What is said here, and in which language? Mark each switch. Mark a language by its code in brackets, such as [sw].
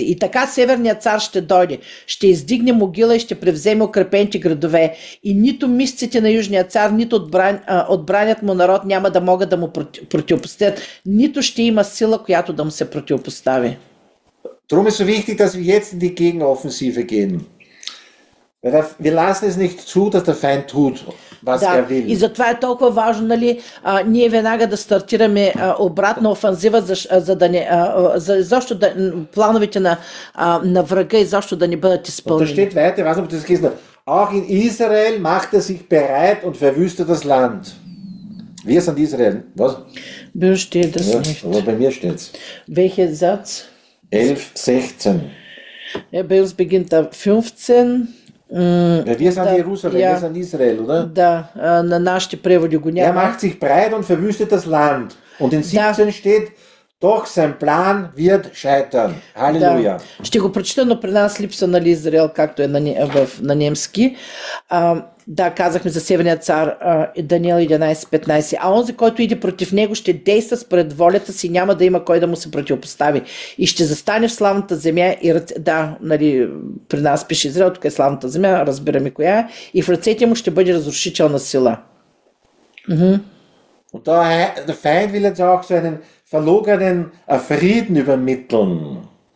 [bg] И така северният цар ще дойде, ще издигне могила и ще превземе укрепените градове. И нито мисците на южния цар, нито отбранят му народ няма да могат да му противопоставят. Нито ще има сила, която да му се противопостави. [de] Drum ist so wichtig, dass wir jetzt in die Gegenoffensive gehen. Wir lassen es nicht zu, dass der Feind tut, was er will. [bg] И затова е толкова важно, нали, ние веднага да стартираме обратна офанзива, за да не, защо да плановете на врага и защо да не бъдат изпълнени. [de] Und da steht weiter, was das heißt, auch in Israel macht er sich bereit und verwüstet das Land. Wir sind Israel. Was? Bei uns steht das ja, nicht. Aber bei mir steht's. Welcher Satz? 11, 16. Ja, bei uns beginnt da 15. Ja, wir sind da, Jerusalem, ja, wir sind Israel, oder? [bg] Da, na naši prevodi go njema. [de] Er macht sich breit und verwüstet das Land. Und in 17 da steht, doch sein Plan wird scheitern. Halleluja. Da. [bg] Ще го прочита, но при нас липса на Израел, както е на немски. Да, казахме за северния цар Даниил 11:15. А онзи, който иде против него, ще действа според волята си, няма да има кой да му се противопостави. И ще застане в славната земя и да, нали, при нас пише Израел, тук е славната земя, разбираме коя е, и в ръцете му ще бъде разрушителна сила. [de] Und da der Feind will jetzt auch so einen verlogenen Frieden übermitteln.